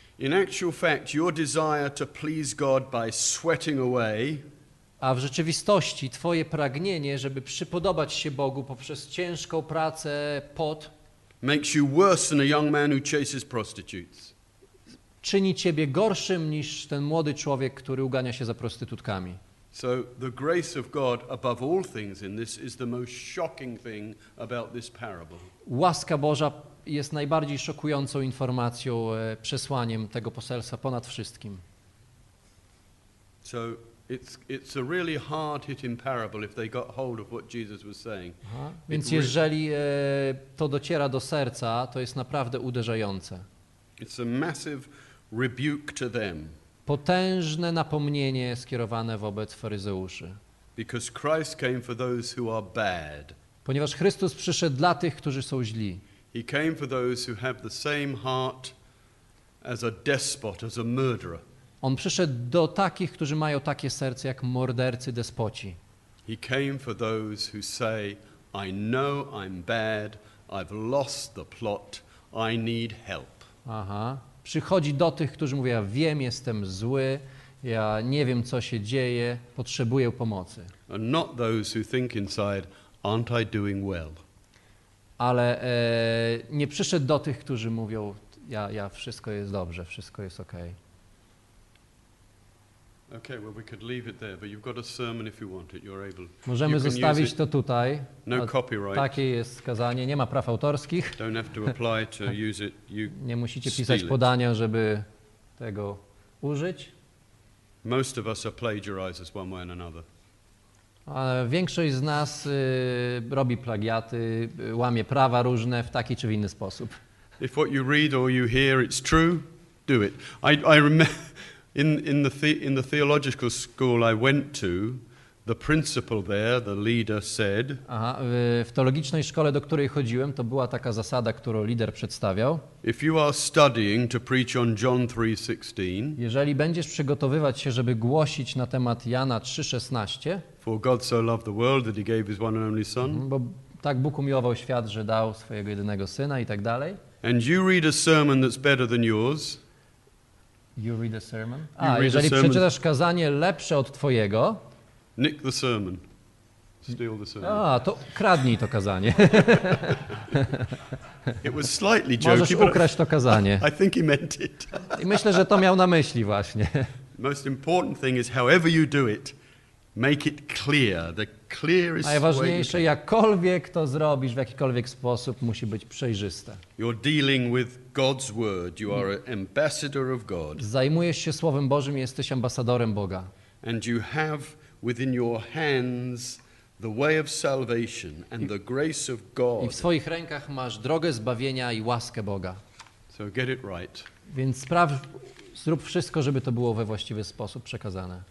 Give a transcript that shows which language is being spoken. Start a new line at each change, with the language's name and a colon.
English: In actual fact, your desire to please God by sweating away.
Polish: A w rzeczywistości twoje pragnienie, żeby przypodobać się Bogu poprzez ciężką pracę, pot,
English: makes you worse than a young man who chases prostitutes.
Polish: Czyni ciebie gorszym niż ten młody człowiek, który ugania się za prostytutkami.
English: So the grace of God above all things in this is the most shocking thing about this parable.
Polish: Łaska Boża jest najbardziej szokującą informacją, przesłaniem tego poselstwa ponad wszystkim.
English: So it's a really hard-hitting parable if they got hold of what Jesus was saying.
Polish: Więc jeżeli to dociera do serca, to jest naprawdę uderzające.
English: It's a massive rebuke to them.
Polish: Potężne napomnienie skierowane wobec faryzeuszy.
English: Because Christ came for those who are bad.
Polish: Ponieważ Chrystus przyszedł dla tych, którzy są źli.
English: He came for those who have the same heart as a despot, as a murderer.
Polish: On przyszedł do takich, którzy mają takie serce jak mordercy, despoci.
English: He came for those who say, I know I'm bad, I've lost the plot, I need help. Aha.
Polish: Przychodzi do tych, którzy mówią, ja wiem, jestem zły, ja nie wiem, co się dzieje, potrzebuję pomocy.
English: And not those who think inside, aren't I doing well?
Polish: Ale nie przyszedł do tych, którzy mówią, ja wszystko jest dobrze, wszystko jest okej.
English: Okay. Okay, well we could leave it there, but you've got a sermon if you want it. You're able.
Polish: Możemy zostawić to tutaj.
English: No copyright.
Polish: Takie jest kazanie, nie ma praw autorskich.
English: Don't have to apply to use it. You
Polish: nie musicie pisać podania, żeby tego użyć.
English: Most of us are plagiarizers one way and another.
Polish: A większość z nas robi plagiaty, łamie prawa różne w taki czy w inny sposób.
English: If what you read or you hear it's true, do it. I remember In the theological school I went to, the principal there, the leader said.
Polish: Aha, w teologicznej szkole, do której chodziłem, to była taka zasada, którą lider przedstawiał.
English: If you are studying to preach on John 3:16.
Polish: Jeżeli będziesz przygotowywać się, żeby głosić na temat Jana 3:16.
English: For God so loved the world that he gave his one and only son.
Polish: Bo tak Bóg umiłował świat, że dał swojego jedynego syna i tak dalej.
English: And you read a sermon that's better than yours. You read a sermon?
Polish: A, jeżeli przeczytasz kazanie lepsze od twojego.
English: Nick the sermon. Steal the sermon.
Polish: A, to kradnij to kazanie.
English: It was slightly joking.
Polish: Możesz ukraść to kazanie.
English: I think he meant it.
Polish: I myślę, że to miał na myśli właśnie.
English: Most important thing is however you do it, make it clear. The clearest way.
Polish: Najważniejsze, jakkolwiek to zrobisz, w jakikolwiek sposób, musi być przejrzyste.
English: You're dealing with God's word. You are an ambassador of God.
Polish: Zajmujesz się Słowem Bożym, jesteś ambasadorem Boga.
English: And you have within your hands the way of salvation and the grace of God.
Polish: I w swoich rękach masz drogę zbawienia i łaskę Boga.
English: So get it right.
Polish: Więc zrób wszystko, żeby to było we właściwy sposób przekazane.